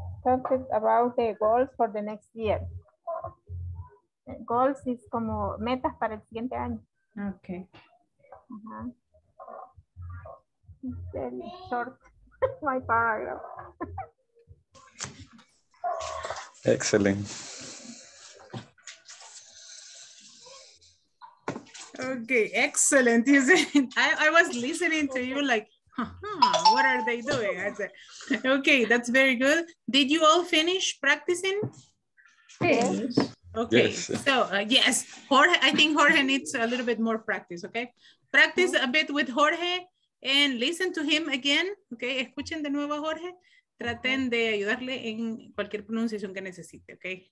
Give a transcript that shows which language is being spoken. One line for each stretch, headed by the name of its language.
English: Talked about the goals for the next year.
Spanish: Goals is como metas para el siguiente año.
English: Okay. Very short. My paragraph. Excellent. Okay, excellent. You said, I was listening to you like, what are they doing? I said, okay, that's very good. Did you all finish practicing? Yes. Okay, yes. So yes, Jorge, I think Jorge needs a little bit more practice, okay? Practice a bit with Jorge and listen to him again, okay?
Spanish: Escuchen de nuevo a Jorge. Traten de ayudarle en cualquier pronunciación que necesite, okay?